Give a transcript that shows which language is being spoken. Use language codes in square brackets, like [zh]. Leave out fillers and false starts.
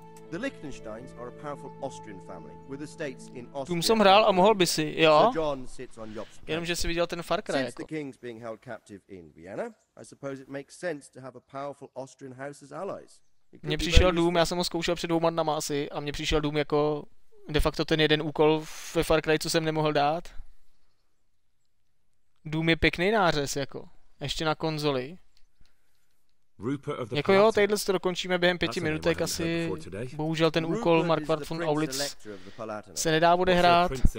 [en] The Liechtensteins are a powerful Austrian family with estates in Austria. [cs] Tum jsem hrál a mohl by si, jo. Jenomže si viděl ten Far Cry jako. [en] Since the king's being held captive in Vienna, I suppose it makes sense to have a powerful Austrian house as allies. [cs] Mně přišel dům, já jsem ho zkoušel před dvouma dnama asi a mně přišel dům jako de facto ten jeden úkol ve Far Cry, co jsem nemohl dát. Dům je pěkný nářez jako, ještě na konzoli. Jako jo, tadyhle si to dokončíme během pěti minutek asi, bohužel ten úkol Markvart von Aulitz se nedá odehrát.